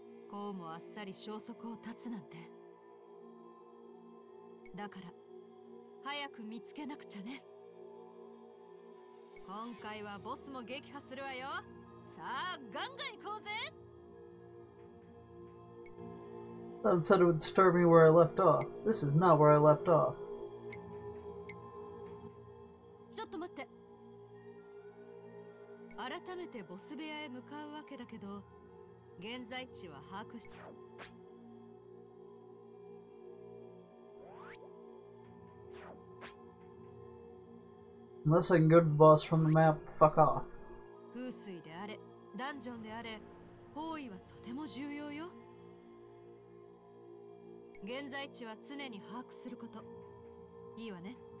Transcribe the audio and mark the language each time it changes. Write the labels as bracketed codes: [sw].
[ja] こうもあっさり消息を絶つなんて。だから早く見つけなくちゃね。今回はボスも撃破するわよ。さあガンガン行こうぜ。 [en] That said, it would start me where I left off. This is not where I left off. [ja] ちょっと待って。改めてボス部屋へ向かうわけだけど、現在地は把握して。 [en] Unless I can go to the boss from the map, fuck off. [ja] 風水であれ、ダンジョンであれ、方位はとても重要よ。現在地は常に把握すること。いいわね。